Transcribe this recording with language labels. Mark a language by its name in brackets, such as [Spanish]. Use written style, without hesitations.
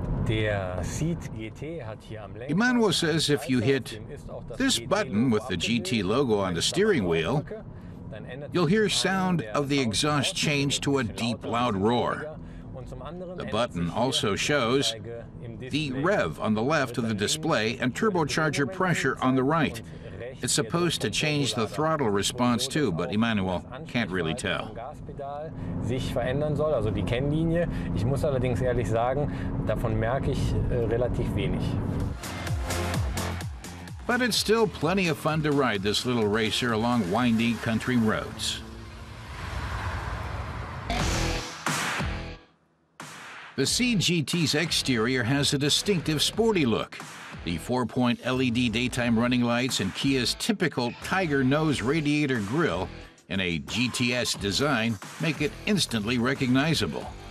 [English] Emmanuel says if you hit this button with the GT logo on the steering wheel, you'll hear sound of the exhaust change to a deep, loud roar. The button also shows the rev on the left of the display and turbocharger pressure on the right. It's supposed to change the throttle response too, but Emmanuel can't really tell. [German] Sich verändern soll, also die Kennlinie. Ich muss allerdings ehrlich sagen, davon merke ich relativ wenig. [English] But it's still plenty of fun to ride this little racer along windy country roads. The CGT's exterior has a distinctive sporty look. The 4-point LED daytime running lights and Kia's typical tiger nose radiator grille in a GTS design make it instantly recognizable.